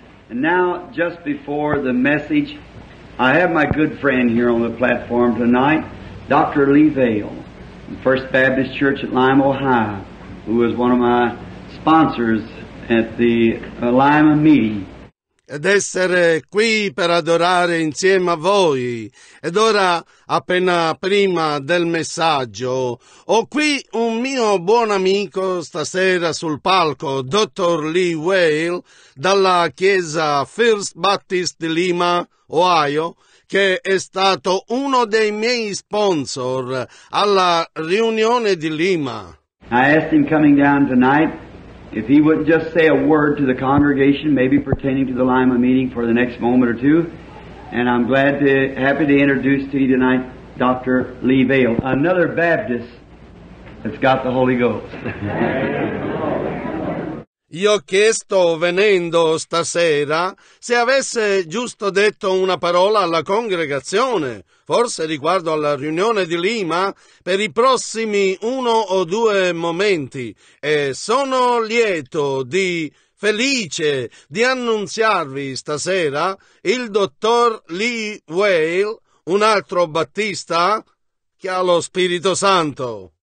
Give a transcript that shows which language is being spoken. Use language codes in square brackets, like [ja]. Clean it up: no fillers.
[en] And now, just before the message, I have my good friend here on the platform tonight, Dr. Lee Vail, First Baptist Church at Lima, Ohio, who was one of my sponsors at the Lima meeting. [it] Ed essere qui per adorare insieme a voi. Ed ora, appena prima del messaggio, ho qui un mio buon amico stasera sul palco, Dr. Lee Vail, dalla chiesa First Baptist di Lima, Ohio, che è stato uno dei miei sponsor alla riunione di Lima. [en] I asked him coming down tonight if he wouldn't just say a word to the congregation, maybe pertaining to the Lima meeting for the next moment or two. And I'm happy to introduce to you tonight Dr. Lee Vail, another Baptist that's got the Holy Ghost. [it] Io ho chiesto, venendo stasera, se avesse giusto detto una parola alla congregazione, forse riguardo alla riunione di Lima, per i prossimi uno o due momenti, e sono lieto di, felice di annunziarvi stasera il dottor Lee Vail, un altro battista che ha lo Spirito Santo.